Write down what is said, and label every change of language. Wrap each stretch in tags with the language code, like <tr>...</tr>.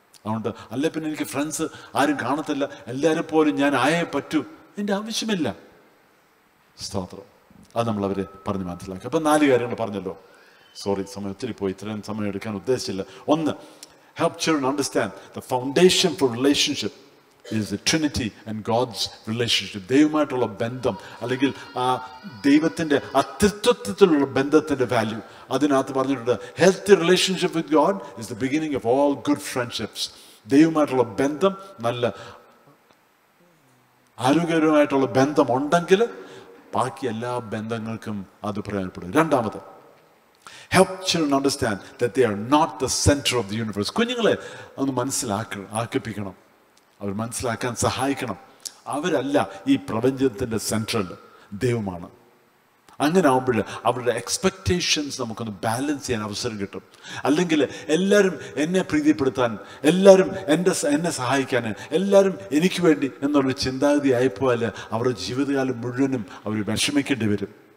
<ml>അതുകൊണ്ട് അല്ലേ പിന്നെ എനിക്ക് ഫ്രണ്ട്സ് ആരും കാണത്തില്ല, എല്ലാവരും പോലും ഞാൻ ആയേ പറ്റൂ, എൻ്റെ ആവശ്യമില്ല. സ്തോത്രം. അത് നമ്മളവരെ പറഞ്ഞ് മനസ്സിലാക്കുക. അപ്പം നാല് കാര്യങ്ങൾ പറഞ്ഞല്ലോ, സോറി സമയം ഒത്തിരി പോയി, ഇത്രയും സമയം എടുക്കാൻ ഉദ്ദേശിച്ചില്ല. ഒന്ന്,</ml> <en>Help children understand the foundation for relationship. is the Trinity and God's relationship.</en> <ml>ദൈവമായിട്ടുള്ള ബന്ധം അല്ലെങ്കിൽ ആ ദൈവത്തിന്റെ അത്യത്വത്തിലുള്ള ബന്ധത്തിന്റെ വാല്യൂ അതിനകത്ത് പറഞ്ഞിട്ടുണ്ട്.</ml> <en>Healthy relationship with God is the beginning of all good friendships.</en> <ml>ദൈവമായിട്ടുള്ള ബന്ധം, നല്ല ആരോഗ്യപരമായിട്ടുള്ള ബന്ധം ഉണ്ടെങ്കിൽ ബാക്കി എല്ലാ ബന്ധങ്ങൾക്കും അത് പ്രയോജനപ്പെടും. രണ്ടാമത്,</ml> <en>help children understand that they are not the center of the universe.</en> <ml>കുഞ്ഞുങ്ങളെ ഒന്ന് മനസ്സിലാക്കിപ്പിക്കണം, അവർ മനസ്സിലാക്കാൻ സഹായിക്കണം, അവരല്ല ഈ പ്രപഞ്ചത്തിൻ്റെ സെൻട്രൽ, ദൈവമാണ്. അങ്ങനെ ആവുമ്പോൾ അവരുടെ എക്സ്പെക്റ്റേഷൻസ് നമുക്കൊന്ന് ബാലൻസ് ചെയ്യാൻ അവസരം കിട്ടും. അല്ലെങ്കിൽ എല്ലാവരും എന്നെ പ്രീതിപ്പെടുത്താൻ, എല്ലാവരും എന്നെ സഹായിക്കാൻ, എല്ലാവരും എനിക്ക് വേണ്ടി എന്നുള്ള ചിന്താഗതി ആയിപ്പോയാൽ അവരുടെ ജീവിതകാലം മുഴുവനും അവർ വിഷമിക്കേണ്ടി വരും.</ml>